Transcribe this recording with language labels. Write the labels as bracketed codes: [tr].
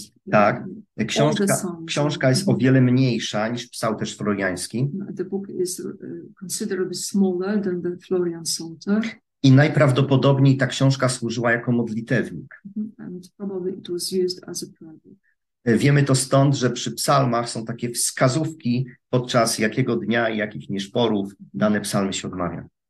[pl] Tak, książka jest o wiele mniejsza niż psalterz floriański. [en] The book is considerably smaller than the Florian Psalter. [pl] I najprawdopodobniej ta książka służyła jako modlitewnik. [en] And probably it was used as a prayer book. [pl] Wiemy to stąd, że przy psalmach są takie wskazówki, podczas jakiego dnia i jakich nieszporów dane psalmy się odmawia.